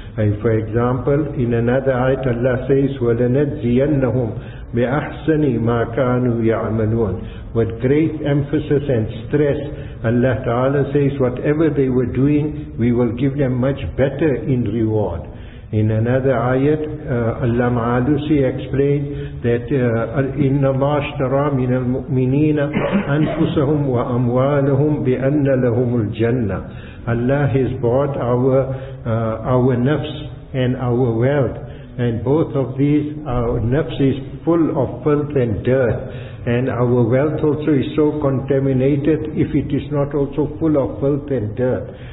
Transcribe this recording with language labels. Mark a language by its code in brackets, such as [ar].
[en] And for example, in another ayat, Allah says, [ar] وَلَنَجْزِيَنَّهُمْ بِأَحْسَنِ مَا كَانُوا يَعْمَلُونَ. [en] With great emphasis and stress, Allah Ta'ala says, whatever they were doing, we will give them much better in reward. In another ayat, Allah Ma'alusi explained that [ar] إِنَّ اللَّهَ اشْتَرَى مِنَ الْمُؤْمِنِينَ أَنفُسَهُمْ وَأَمْوَالَهُمْ بِأَنَّ لَهُمُ الْجَنَّةِ. [en] Allah has bought our nafs and our wealth, and both of these, our nafs is full of filth and dirt, and our wealth also is so contaminated if it is not also full of filth and dirt.